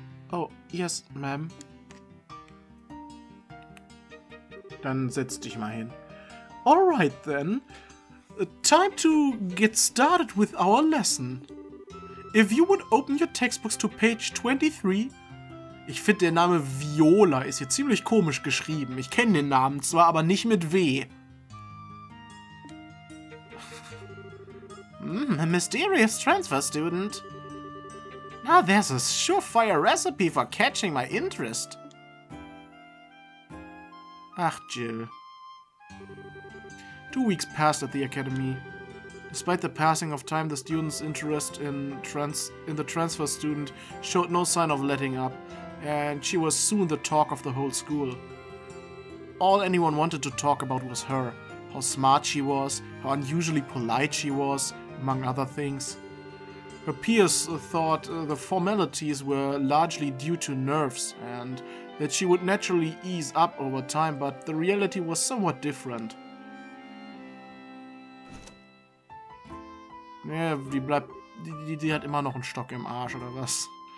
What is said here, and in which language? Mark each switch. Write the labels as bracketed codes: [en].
[en] Oh, yes, ma'am. [de] Dann setz dich mal hin. [en] Alright then, time to get started with our lesson. If you would open your textbooks to page 23... [de] Ich finde, der Name Viola ist hier ziemlich komisch geschrieben. Ich kenne den Namen zwar, aber nicht mit W. [en] A mysterious transfer student. Now there's a surefire recipe for catching my interest. [de] Ach, Jill. [en] 2 weeks passed at the academy. Despite the passing of time, the student's interest in the transfer student showed no sign of letting up, and she was soon the talk of the whole school. All anyone wanted to talk about was her, how smart she was, how unusually polite she was, among other things. Her peers thought the formalities were largely due to nerves, and that she would naturally ease up over time, but the reality was somewhat different. [de] Ja, die bleibt... Die hat immer noch einen Stock im Arsch, oder was?